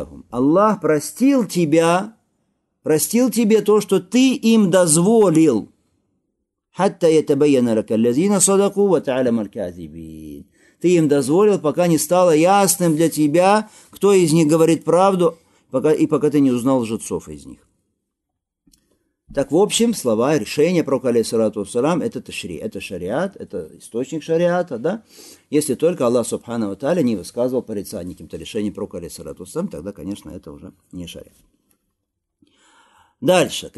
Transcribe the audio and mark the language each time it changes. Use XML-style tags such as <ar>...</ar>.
<ru>Аллах простил тебя, простил тебе то, что ты им дозволил</ru> <ar>حتى يتبين لك الذين صدقوا وتعلم الكاذبين.</ar> <ru>Ты им дозволил, пока не стало ясным для тебя, кто из них говорит правду, пока ты не узнал лжецов из них. Так, в общем, слова и решения пророка, алейхиссалату вассалам, это ташри, это шариат, это источник шариата, да? Если только Аллах, субхана ва тааля, не высказывал порицание каким-то решением пророка, алейхиссалату вассалам, тогда, конечно, это уже не шариат. Дальше.</ru>